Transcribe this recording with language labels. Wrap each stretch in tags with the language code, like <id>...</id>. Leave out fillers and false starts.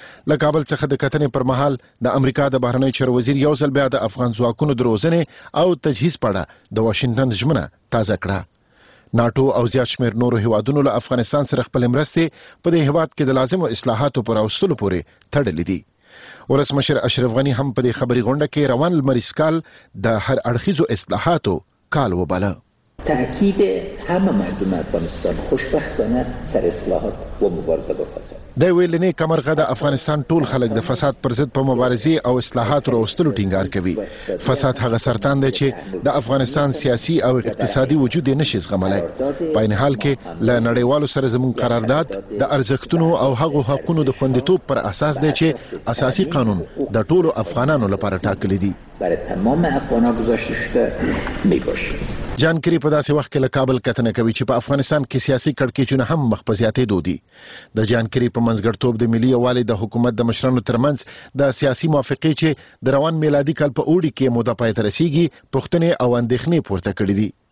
<ps>له کابل څخه د کتنې پر مهال د امریکا د بهرنیو چارو وزیر یو ځل بیا د افغان ځواکونو د روزنې او تجهیز پړه د واشنگټن ژمنه تازه کړه. ناتو او زیات شمیر نورو هیوادونو له افغانستان سره خپل مرستې په دې هیواد کې د لازمو اصلاحاتو پر اوستلو پورې تړلې دي. ولسمشر اشرف غنی هم په دې خبري غونډه کې روان لمریز کال د هر اړخیزو اصلاحاتو کال وباله.</ps> <fa>تأکید همه مردم افغانستان خوشبختانه سر اصلاحات و مبارزه با فساد.</fa> <ps>دی ویلنی کمرغه د افغانستان ټول خلک د فساد پر ضد په مبارزه او اصلاحات راوستلو ټینګار کوي. فساد هغه سرطان دی چې د افغانستان سیاسي او اقتصادي وجود نشي زغملای. په عین حال کې له نړیوالو سره زموږ قرارداد د ارزښتونو او هغو حقونو د خوندیتوب پر اساس دی چې اساسي قانون د ټولو افغانانو لپاره ټاکلی دی.</ps> <fa>برای تمام افغانا گذاشته شده می باشه.</fa> <ps>جان کری په داسې وخت کې له کابل کتنه کوي چې په افغانستان کې سیاسي کړکیچونه هم مخ په زیاتېدو دي. د جان کری په منځګړتوب د ملي یووالي د حکومت د مشرانو ترمنځ د سیاسي موافقې چې د روان میلادي کال په اوړي کې موده پای ته رسیږي پوښتنې او اندېښنې پورته کړې دي.</ps>